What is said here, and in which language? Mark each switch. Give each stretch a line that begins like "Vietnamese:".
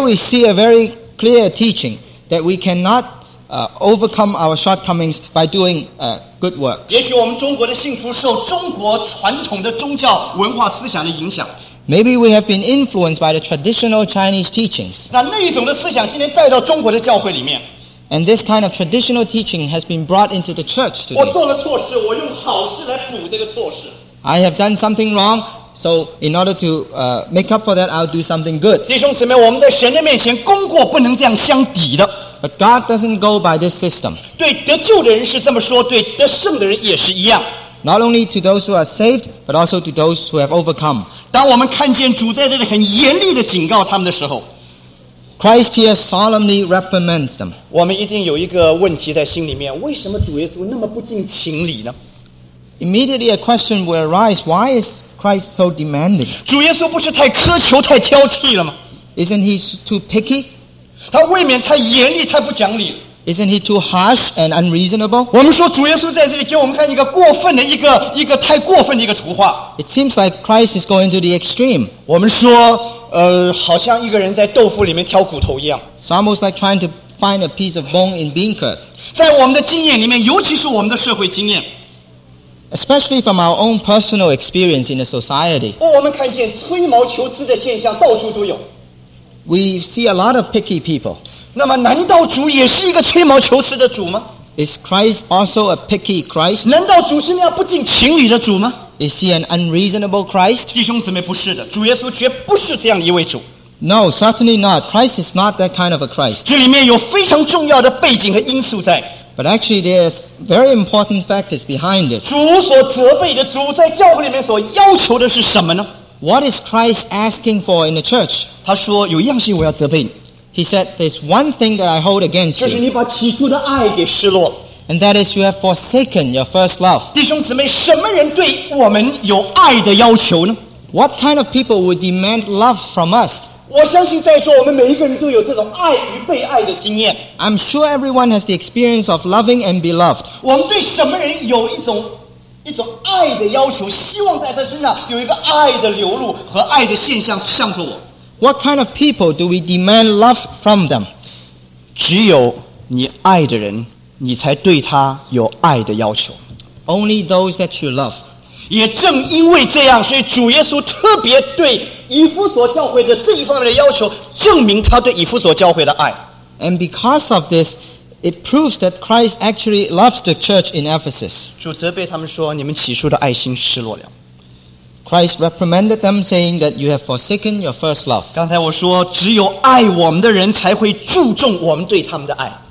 English: we see a very clear teaching that we cannot overcome our shortcomings by doing good work.
Chinese: 也许我们中国的幸福受中国传统的宗教文化思想的影响。
English: Maybe we have been influenced by the traditional Chinese teachings.
Chinese: 那一种的思想今天带到中国的教会里面。
English: And this kind of traditional teaching has been brought into the church today.
Chinese: 我做了错事,我用好事来补这个错事。
English: I have done something wrong, so in order to make up for that, I'll do something good.
Chinese: 弟兄姊妹,我们在神的面前功过不能这样相抵的。
English: But God doesn't go by this system.
Chinese: 对得救的人是这么说,对得胜的人也是一样。
English: Not only to those who are saved, but also to those who have overcome.
Chinese: 当我们看见主在这里很严厉地警告他们的时候,
English: Christ here solemnly reprimands them.
Chinese: 我们一定有一个问题在心里面, 为什么主耶稣那么不近情理呢?
English: Immediately a question will arise, why is Christ so demanding?
Chinese: 主耶稣不是太苛求,太挑剔了吗?
English: Isn't he too picky?
Chinese: 他未免太严厉,太不讲理。
English: Isn't he too harsh and unreasonable?
Chinese: 我们说主耶稣在这里给我们看一个过分的一个太过分的一个图画。
English: It seems like Christ is going to the extreme.
Chinese: 我们说, 好像一个人在豆腐里面挑骨头一样。
English: It's almost like trying to find a piece of bone in bean curd.
Chinese: 在我们的经验里面, 尤其是我们的社会经验,
English: especially from our own personal experience in the society.
Chinese: 我们看见吹毛求疵的现象到处都有。
English: We see a lot of picky people.
Chinese: 那么难道主也是一个吹毛求疵的主吗?
English: Is Christ also a picky Christ?
Chinese: 难道主是那样不近情理的主吗?
English: Is he an unreasonable Christ?
Chinese: 弟兄姊妹,不是的, 主耶稣绝不是这样一位主。
English: No, certainly not. Christ is not that kind of a Christ.
Chinese: 这里面有非常重要的背景和因素在。
English: But actually, there's very important factors behind this.
Chinese: 主所责备的, 主在教会里面所要求的是什么呢?
English: What is Christ asking for in the church?
Chinese: 他说,有一样事情我要责备你。
English: He said, there's one thing that I hold against you. And that is you have forsaken your first love.
Chinese: 弟兄姊妹,什么人对我们有爱的要求呢?
English: What kind of people would demand love from us?
Chinese: 我相信在座我们每一个人都有这种爱与被爱的经验。
English: I'm sure everyone has the experience of loving and beloved.
Chinese: 我们对什么人有一种爱的要求, 希望在他身上有一个爱的流露和爱的现象向着我。
English: What kind of people do we demand love from them?
Chinese: 只有你爱的人, 你才对他有爱的要求。
English: Only those that you love.
Chinese: 也正因为这样, 所以主耶稣特别对以弗所教会的这一方面的要求证明他对以弗所教会的爱。
English: And because of this, it proves that Christ actually loves the church in Ephesus.
Chinese: 主责备他们说你们起初的爱心失落了。
English: Christ reprimanded them, saying that you have forsaken your first love.
Chinese: 刚才我说, 只有爱我们的人才会注重我们对他们的爱。